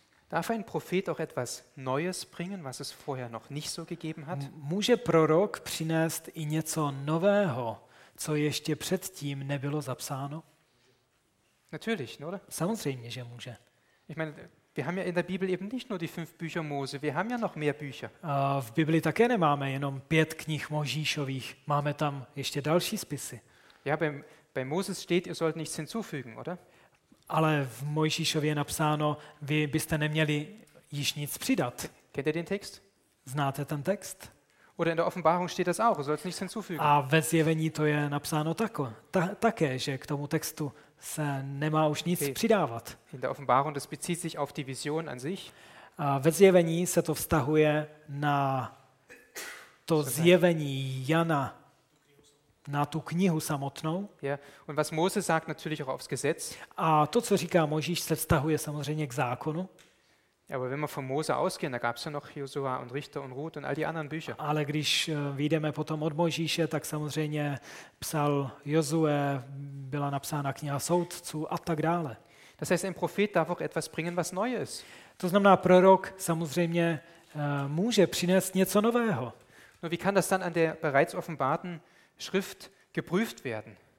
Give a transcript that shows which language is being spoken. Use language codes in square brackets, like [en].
[de] Darf ein Prophet auch etwas Neues bringen, was es vorher noch nicht so gegeben hat? [cs] Může prorok přinést i něco nového, co ještě předtím nebylo zapsáno? [de] Natürlich, oder? [cs] Samozřejmě, že může. [de] Ich meine, wir haben ja in der Bibel eben nicht nur die fünf Bücher Mose, wir haben ja noch mehr Bücher. [cs] V Bibli také nemáme jenom pět knih Mojžíšových, máme tam ještě další spisy. [de] Ja, bei Moses steht, ihr sollt nichts hinzufügen, oder? [cs] Ale v Mojžíšově je napsáno, vy byste neměli již nic přidat. [de] Kennt ihr den Text? [cs] Znáte ten text? [de] Oder in der Offenbarung steht das auch, ihr sollt nichts hinzufügen. [cs] A ve Zjevení to je napsáno také, že k tomu textu se nemá už nic přidávat. [de] In der Offenbarung, das bezieht sich auf die Vision an sich. [cs] A ve Zjevení se to vztahuje na to zjevení Jana, na tu knihu samotnou. Yeah. [de] Und was Mose sagt, natürlich auch aufs Gesetz. [cs] A to, co říká Mojžíš, se vztahuje samozřejmě k zákonu. [de] Aber wenn wir von Mose ausgehen, da gab es ja noch Josua und Richter und Ruth und all die anderen Bücher. [cs] Ale když vyjdeme potom od Mojžíše, tak samozřejmě psal Josue, byla napsána kniha soudců a tak dále. [de] Das heißt, ein Prophet darf auch etwas bringen, was Neues. [cs] To znamená, prorok samozřejmě může přinést něco nového. [de] No, wie kann das dann an der bereits offenbarten Schrift geprüft werden?